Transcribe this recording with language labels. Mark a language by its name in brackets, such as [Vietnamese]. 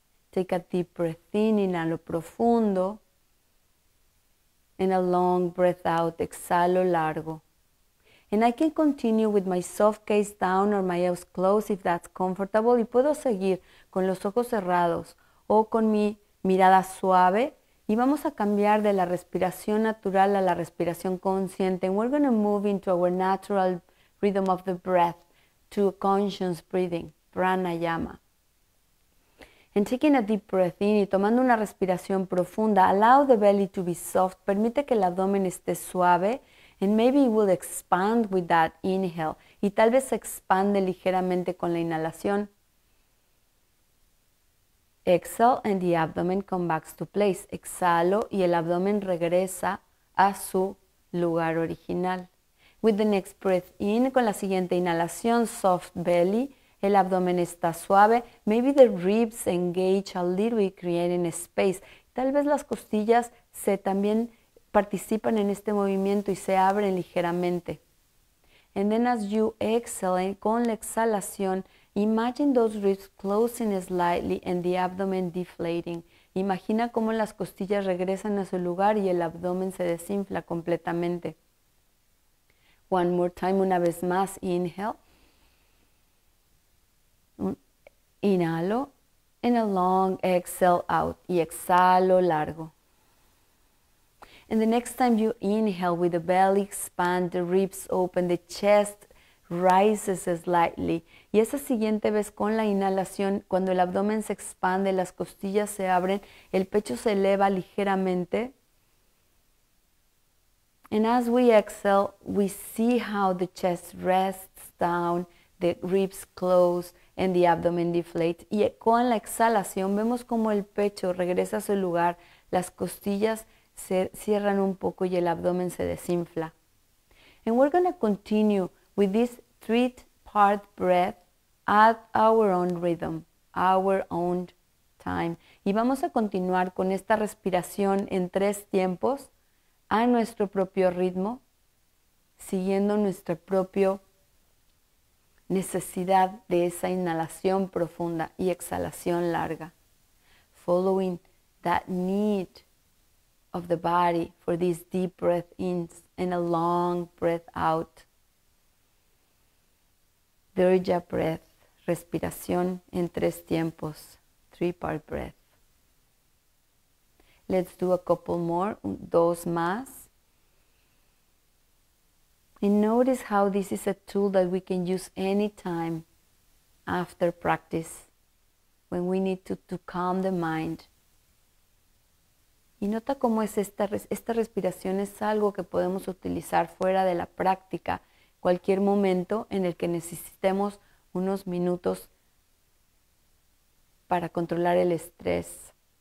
[English] Take a deep breath in, [Spanish] inhalo profundo, [English] and a long breath out, [Spanish] exhalo largo. [English] And I can continue with my soft gaze down or my eyes closed if that's comfortable. [Spanish] Y puedo seguir con los ojos cerrados o con mi mirada suave. Y vamos a cambiar de la respiración natural a la respiración consciente. [English] And we're going to move into our natural rhythm of the breath to conscious breathing, pranayama. And taking a deep breath in, [Spanish] y tomando una respiración profunda, [English] allow the belly to be soft, [Spanish] permite que el abdomen esté suave, [English] and maybe it will expand with that inhale, [Spanish] y tal vez se expande ligeramente con la inhalación. [English] Exhale, and the abdomen comes back to place. [Spanish] Exhalo, y el abdomen regresa a su lugar original. [English] With the next breath in, [Spanish] con la siguiente inhalación, [English] soft belly, [Spanish] el abdomen está suave. [English] Maybe the ribs engage a little bit, creating space. [Spanish] Tal vez las costillas se también participan en este movimiento y se abren ligeramente. [English] And then as you exhale, [Spanish] con la exhalación, [English] imagine those ribs closing slightly and the abdomen deflating. [Spanish] Imagina cómo las costillas regresan a su lugar y el abdomen se desinfla completamente. [English] One more time, [Spanish] una vez más, [English] inhale. [Spanish] Inhalo, [English] and a long exhale out, [Spanish] y exhalo largo. [English] And the next time you inhale with the belly expand, the ribs open, the chest rises slightly. [Spanish] Y esa siguiente vez con la inhalación, cuando el abdomen se expande, las costillas se abren, el pecho se eleva ligeramente. [English] And as we exhale, we see how the chest rests down, the ribs close, and the abdomen deflate. [Spanish] Y con la exhalación vemos como el pecho regresa a su lugar, las costillas se cierran un poco y el abdomen se desinfla. [English] And we're going to continue with this three-part breath at our own rhythm, our own time. [Spanish] Y vamos a continuar con esta respiración en tres tiempos a nuestro propio ritmo, siguiendo nuestro propio necesidad de esa inhalación profunda y exhalación larga. [English] Following that need of the body for this deep breath in and a long breath out. [Spanish] Dirja breath, respiración en tres tiempos. [English] three-part breath. Let's do a couple more, [Spanish] dos más. [English] And notice how this is a tool that we can use anytime after practice when we need to calm the mind. [Spanish] Y nota cómo es esta respiración es algo que podemos utilizar fuera de la práctica, cualquier momento en el que necesitemos unos minutos para controlar el estrés.